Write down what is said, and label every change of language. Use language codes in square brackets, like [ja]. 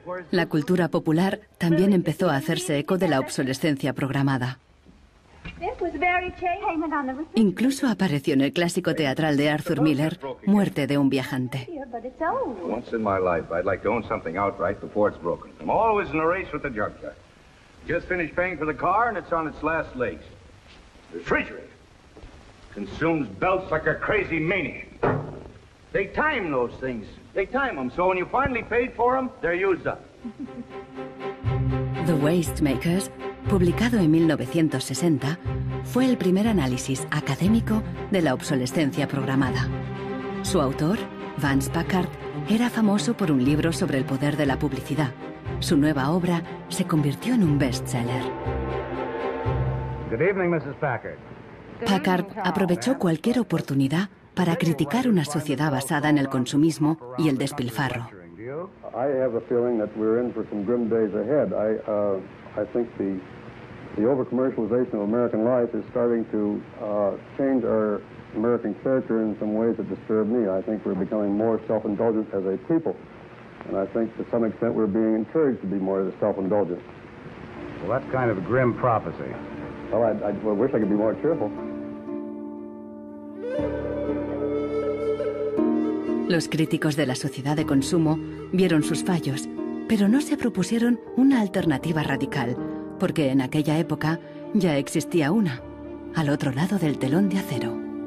[es] La cultura popular también empezó a hacerse eco de la obsolescencia programada. Incluso apareció en el clásico teatral de Arthur Miller, Muerte de un viajante. [en] Once in my life, I'd like to own something outright before it's broken. I'm always in a race with the junkyard. Just finished paying for the car, and it's on its last legs. Refrigerator consumes belts like a crazy maniac. They time those things. They time them so when you finally paid for them, they're used up. [es] The Waste Makers, publicado en 1960, fue el primer análisis académico de la obsolescencia programada. Su autor, Vance Packard, era famoso por un libro sobre el poder de la publicidad. Su nueva obra se convirtió en un bestseller. [en] Good evening, Mrs. Packard. [es] Packard aprovechó cualquier oportunidad para criticar una sociedad basada en el consumismo y el despilfarro. [en] I have a feeling that we're in for some grim days ahead. I think the over-commercialization of American life is starting to change our American character in some ways that disturb me. I think we're becoming more self-indulgent as a people. And I think to some extent we're being encouraged to be more self-indulgent. Well, that's kind of a grim prophecy. Well, I wish I could be more cheerful. [es] Los críticos de la sociedad de consumo vieron sus fallos, pero no se propusieron una alternativa radical, porque en aquella época ya existía una, al otro lado del telón de acero.